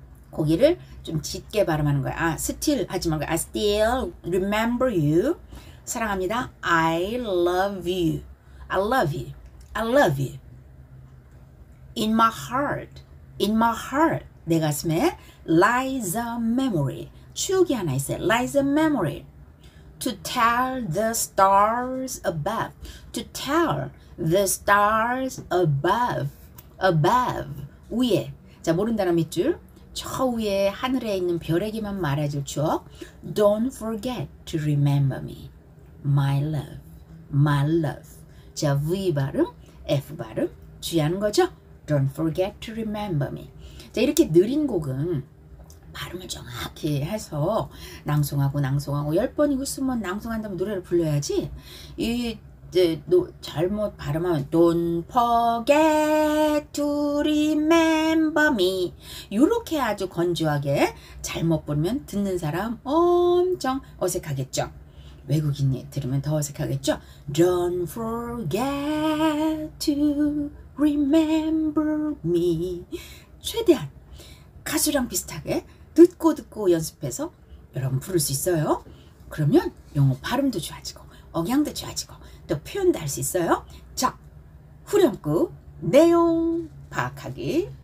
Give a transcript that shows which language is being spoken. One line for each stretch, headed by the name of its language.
Korean: 고기를 좀 짙게 발음하는 거야. 아,
English: still
Korean: 하지 말고
English: I still remember you.
Korean: 사랑합니다.
English: I love you. I love you. I love you. In my heart. In my heart.
Korean: 내 가슴에
English: lies a memory.
Korean: 추억이 하나 있어요.
English: Lies a memory. To tell the stars above. To tell the stars above. Above.
Korean: 위에. 자, 모른다는 밑줄. 저 위에 하늘에 있는 별에게만 말해줄 추억.
English: Don't forget to remember me, my love, my love.
Korean: 자, V 발음, F 발음 주의하는 거죠.
English: Don't forget to remember me.
Korean: 자, 이렇게 느린 곡은 발음을 정확히 해서 낭송하고 낭송하고 열 번이고 20번 낭송한다면 노래를 불러야지. 이 잘못 발음하면
English: Don't forget to remember me.
Korean: 이렇게 아주 건조하게 잘못 부르면 듣는 사람 엄청 어색하겠죠. 외국인이 들으면 더 어색하겠죠.
English: Don't forget to remember me.
Korean: 최대한 가수랑 비슷하게 듣고 듣고 연습해서 여러분 부를 수 있어요. 그러면 영어 발음도 좋아지고 억양도 좋아지고 또 표현도 할 수 있어요. 자, 후렴구 내용 파악하기.